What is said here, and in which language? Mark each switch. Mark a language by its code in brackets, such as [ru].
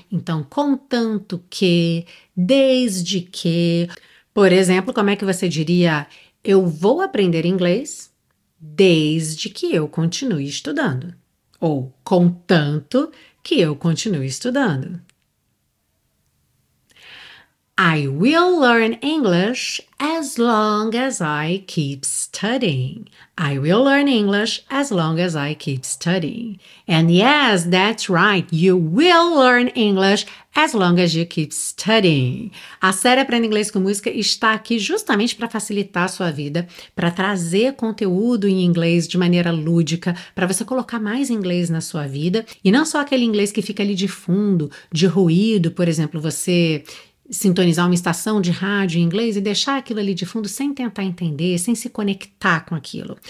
[pt] Então, contanto que, desde que, por exemplo, como é que você diria, eu vou aprender inglês desde que eu continue estudando, ou contanto que eu continue estudando. [en] I will learn English as long as I keep studying. I will learn English as long as I keep studying. And yes, that's right. You will learn English as long as you keep studying. [pt] A série Aprenda Inglês com Música está aqui justamente para facilitar a sua vida, para trazer conteúdo em inglês de maneira lúdica, para você colocar mais inglês na sua vida. E não só aquele inglês que fica ali de fundo, de ruído, por exemplo, você sintonizar uma estação de rádio em inglês e deixar aquilo ali de fundo sem tentar entender, sem se conectar com aquilo.